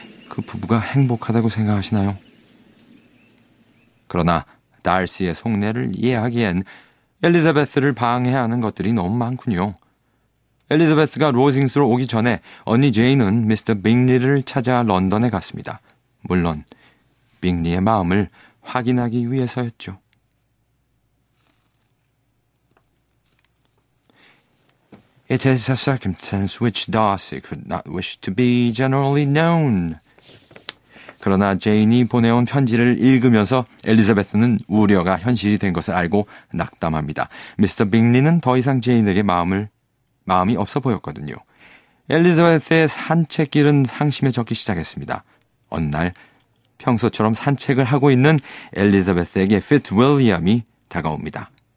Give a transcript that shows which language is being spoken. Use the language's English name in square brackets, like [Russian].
[Korean] 그 부부가 행복하다고 생각하시나요? 그러나 달시의 속내를 이해하기엔 엘리자베스를 방해하는 것들이 너무 많군요. 엘리자베스가 로징스로 오기 전에 언니 제인은 미스터 빙리를 찾아 런던에 갔습니다. 물론 빙리의 마음을 확인하기 위해서였죠. [English] 'It is a circumstance which Darcy could not wish to be generally known.' [Korean] 그러나 제인이 보내온 편지를 읽으면서 엘리자베스는 우려가 현실이 된 것을 알고 낙담합니다. 미스터 빙리는 더 이상 제인에게 마음이 없어 보였거든요. 엘리자베스의 산책길은 상심에 적기 시작했습니다. 어느 날 평소처럼 산책을 하고 있는 엘리자베스에게 피트윌리엄이 다가옵니다.